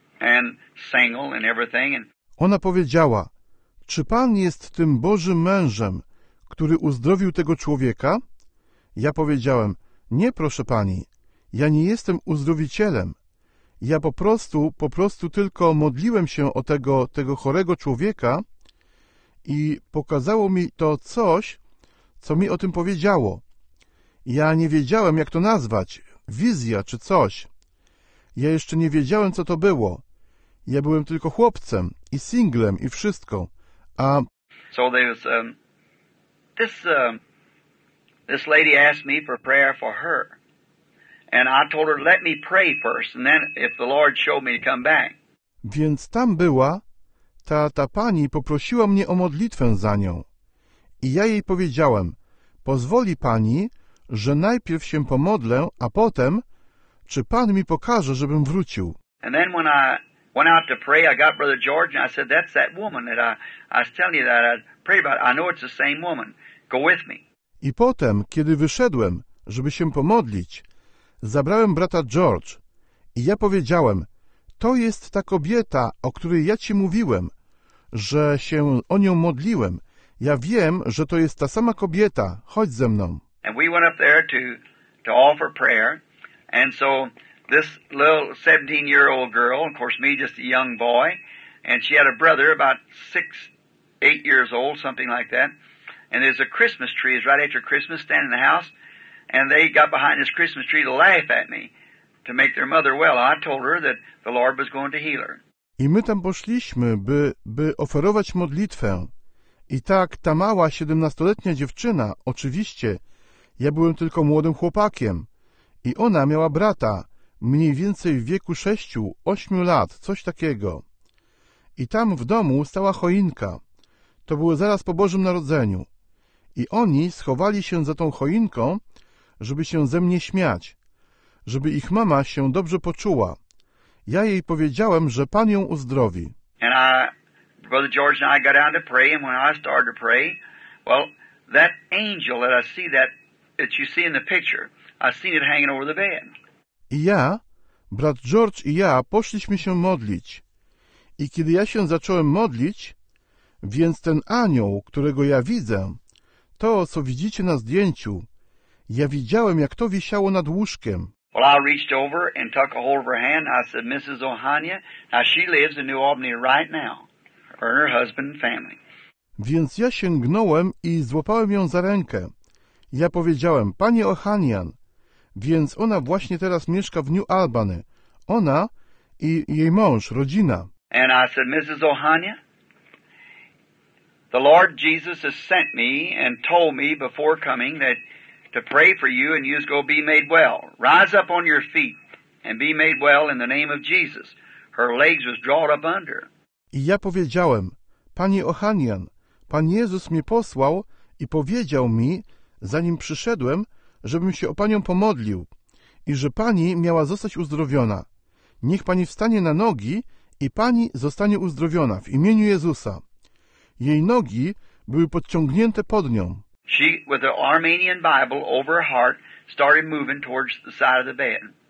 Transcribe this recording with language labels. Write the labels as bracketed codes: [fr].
[en] And single and everything. [pl] Ona powiedziała, czy pan jest tym Bożym mężem, który uzdrowił tego człowieka? Ja powiedziałem, nie, proszę pani, ja nie jestem uzdrowicielem. Ja po prostu tylko modliłem się o tego chorego człowieka i pokazało mi to coś, co mi o tym powiedziało. Ja nie wiedziałem, jak to nazwać, wizja czy coś. Ja jeszcze nie wiedziałem, co to było. Ja byłem tylko chłopcem i singlem i wszystko. [en] A so there was this lady asked me for prayer for her. And I told her let me pray first and then if the Lord showed me to come back. [pl] Więc tam była ta pani poprosiła mnie o modlitwę za nią. I ja jej powiedziałem: "Pozwoli pani, że najpierw się pomodlę, a potem czy pan mi pokaże, żebym wrócił?" [en] And then when I went out to pray, I got Brother George, and I said, that's that woman that I was telling you that I prayed about. I know it's the same woman. Go with me. [pl] I potem, kiedy wyszedłem, żeby się pomodlić, zabrałem brata George i ja powiedziałem, to jest ta kobieta, o której ja ci mówiłem, że się o nią modliłem. Ja wiem, że to jest ta sama kobieta. Chodź ze mną. [en] And we went up there to offer prayer, and so... This little 17-year-old girl, of course me, just a young boy, and she had a brother about 6-8 years old, something like that. And there's a Christmas tree, it's right after Christmas, standing in the house, and they got behind this Christmas tree to laugh at me, to make their mother well. I told her that the Lord was going to heal her. [pl] I my tam poszliśmy, by oferować modlitwę. I tak ta mała 17-letnia dziewczyna, oczywiście, ja byłem tylko młodym chłopakiem, i ona miała brata, mniej więcej w wieku 6-8 lat, coś takiego. I tam w domu stała choinka. To było zaraz po Bożym Narodzeniu. I oni schowali się za tą choinką, żeby się ze mnie śmiać, żeby ich mama się dobrze poczuła. Ja jej powiedziałem, że pan ją uzdrowi. [en] And I, Brother George and I got out to pray, and when I started to pray, well, that angel that I see that you see in the picture, I seen it hanging over the bed. [pl] I ja, brat George i ja poszliśmy się modlić. I kiedy ja się zacząłem modlić, więc ten anioł, którego ja widzę, to, co widzicie na zdjęciu, ja widziałem, jak to wisiało nad łóżkiem. [en] Well, I reached over and took a hold of her hand. I said, Mrs. Ohanian, now she lives in New Albany right now, her and her husband and family. [pl] Więc ja sięgnąłem i złapałem ją za rękę. Ja powiedziałem, panie Ohanian. Więc ona właśnie teraz mieszka w New Albany. Ona i jej mąż, rodzina. [en] And I said, Mrs. Ohania, the Lord Jesus has sent me and told me before coming that to pray for you and you's go be made well. Rise up on your feet and be made well in the name of Jesus. Her legs was drawn up under. [pl] I ja powiedziałem, panie Ohanian, pan Jezus mnie posłał i powiedział mi, zanim przyszedłem, żebym się o panią pomodlił i że pani miała zostać uzdrowiona. Niech pani wstanie na nogi i pani zostanie uzdrowiona w imieniu Jezusa. Jej nogi były podciągnięte pod nią. [en] She, with the Armenian Bible over her heart, started moving towards the side of the bed.